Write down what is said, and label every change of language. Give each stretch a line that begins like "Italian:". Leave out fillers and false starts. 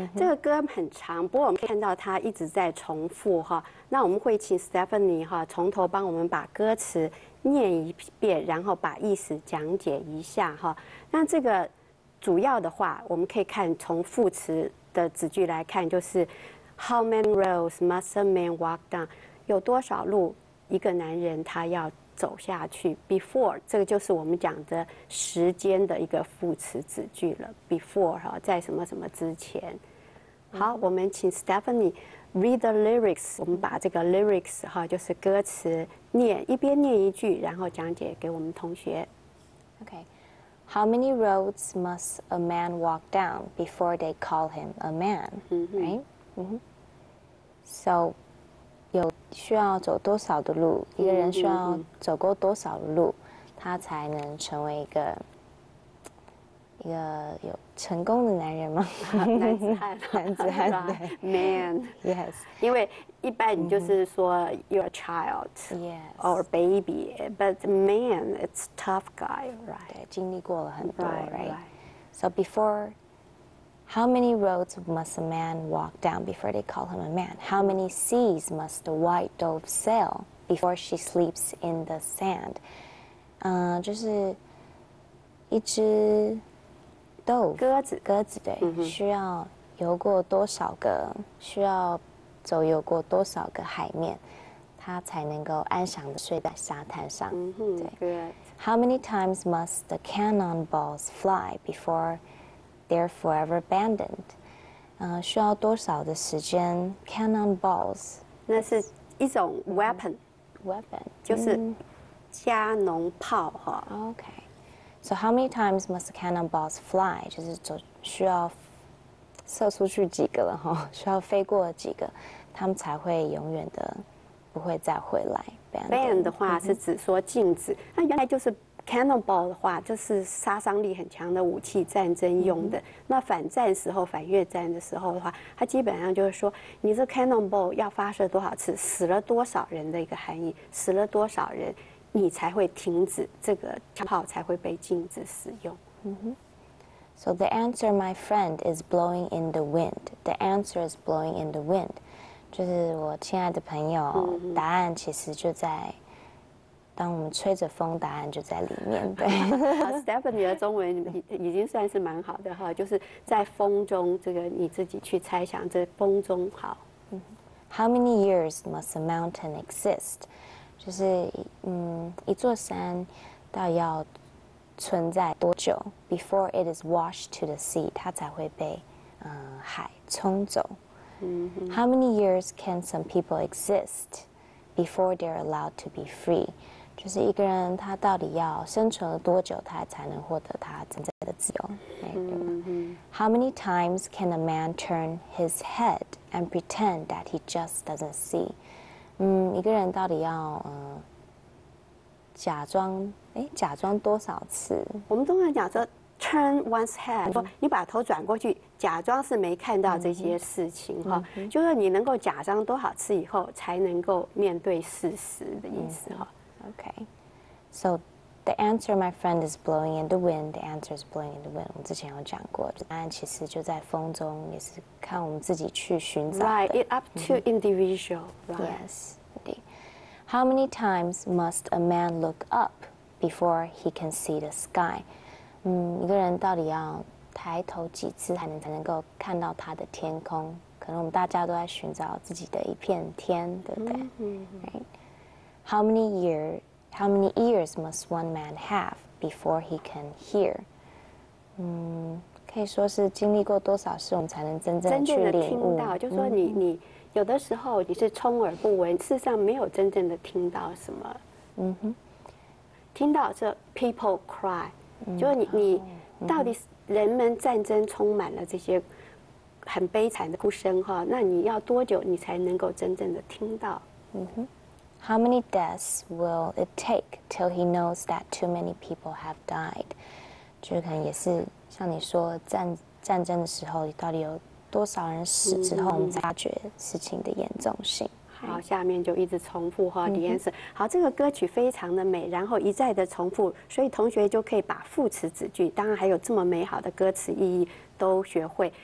Chinese: 这个歌很长，不过我们看到它一直在重复哈。那我们会请 Stephanie 哈从头帮我们把歌词念一遍，然后把意思讲解一下哈。那这个主要的话，我们可以看从副词。的子句来看，就是
English: How many roads must a man walk down?
Chinese: 有多少路一个男人他要走下去 ？Before 这个就是我们讲的时间的一个副词子句了。 Before 在什么什么之前。好，我们请 Stephanie
English: read the lyrics。
Chinese: 我们把这个 lyrics 就是歌词念一边念一句，然后讲解给我们同学。
English: Okay. How many roads must a man walk down before they call him a man?
Chinese: So, 有需要走多少的路，一个人需要走过多少的路，他才能成为一个有成功的男人吗？男子汉对
English: ，man yes，
Chinese: 因为一般你就是说
English: you're a child yes or baby， but man it's tough guy right，
Chinese: 对，经历过了很多
English: right， so before how many roads must a man walk down before they call him a man？ How many seas must a white dove sail before she sleeps in the sand？
Chinese: 就是一只。鸽子对，需要游过多少个，需要走游过多少个海面，它才能够安详的睡在沙滩上。
English: 对 ，How many times must the cannonballs fly before they're forever abandoned？
Chinese: 需要多少的时间 ？Cannonballs，那是一种 weapon，
English: weapon
Chinese: 就是加农炮哈。
English: OK。 So how many times must the cannonballs fly?
Chinese: 就是走需要射出去几个了哈，需要飞过几个，他们才会永远的不会再回来。 Ban 的话是指说禁止，那原来就是 cannonball 的话，就是杀伤力很强的武器，战争用的。那反战时候、反越战的时候的话，它基本上就是说，你这 cannonball 要发射多少次，死了多少人的一个含义，死了多少人，你才会停止这个枪炮才会被禁止使用。
English: So the answer, my friend, is blowing in the wind. The answer is blowing in the wind.
Chinese: 就是我亲爱的朋友，答案其实就在，当我们吹着风，答案就在里面。对，Stephanie 的中文已经算是蛮好的哈，就是在风中，这个你自己去猜想，这风中好。
English: How many years must a mountain exist?
Chinese: 就是一座山到要存在多久
English: before it is washed to the sea,
Chinese: 它才会被海冲走。
English: How many years can some people exist before they're allowed to be free?
Chinese: 就是一个人他到底要生存了多久他才能获得他真正的自由。
English: How many times can a man turn his head and pretend that he just doesn't see?
Chinese: 一个人到底要假装多少次？我们通常讲说
English: turn one's head，
Chinese: 说你把头转过去，假装是没看到这些事情哈。就是你能够假装多少次以后，才能够面对事实的意思哈。
English: Okay, so the answer, my friend, is blowing in the wind. The answer is blowing in the wind.
Chinese: 我们之前有讲过，答案其实就在风中，也是看我们自己去寻找的。
English: Right, it up to individual.、Right. Yes, indeed. How many times must a man look up? Before he can see the sky,
Chinese: 一个人到底要抬头几次才能够看到他的天空？可能我们大家都在寻找自己的一片天，对不对？
English: How many ears must one man have before he can hear?
Chinese: 可以说是经历过多少事，我们才能真正的听到？就说你有的时候你是充耳不闻，事实上没有真正的听到什么。听到这
English: people cry，
Chinese: 就是你到底人们战争充满了这些很悲惨的哭声哈，那你要多久你才能够真正的听到？
English: How many deaths will it take till he knows that too many people have died？
Chinese: 就是可能也是像你说战争的时候，到底有多少人死之后，我们才发觉事情的严重性。好，下面就一直重复哈 ，
English: the answer。
Chinese: 好，这个歌曲非常的美，然后一再的重复，所以同学就可以把副词子句，当然还有这么美好的歌词意义都学会。